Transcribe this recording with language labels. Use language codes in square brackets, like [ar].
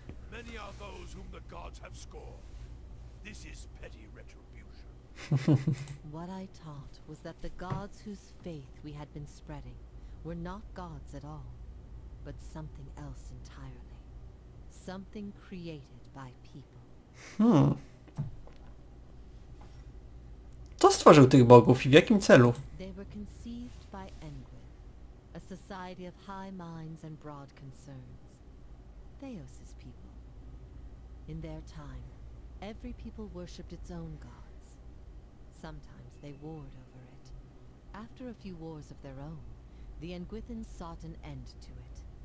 [en] Many are those whom the gods have scorned. This is petty retribution. What I taught was that the gods whose faith we had been spreading were not gods at all, but something else entirely. Something created by people. [pl] Kto stworzył tych bogów i w jakim celu? [en] They were conceived by Enguin, a society of high minds and broad concerns. Theos's people. In their time, every people worshipped its own gods. Sometimes they warred over it. After a few wars of their own, the Enguithans sought an end to it.